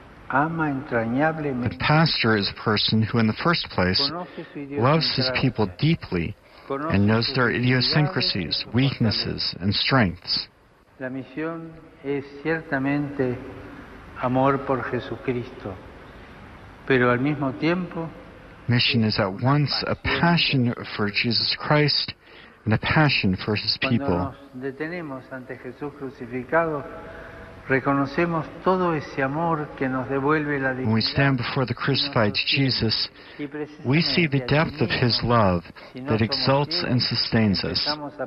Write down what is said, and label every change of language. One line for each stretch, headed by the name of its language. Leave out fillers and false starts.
English: The pastor is a person who, in the first place, loves his people deeply and knows their idiosyncrasies, weaknesses, and strengths.
Spanish: La misión es ciertamente amor por Jesucristo, pero al mismo tiempo.
English: Mission is at once a passion for Jesus Christ and a passion for his people. When we stand before the crucified Jesus, we see the depth of his love that exalts and sustains us.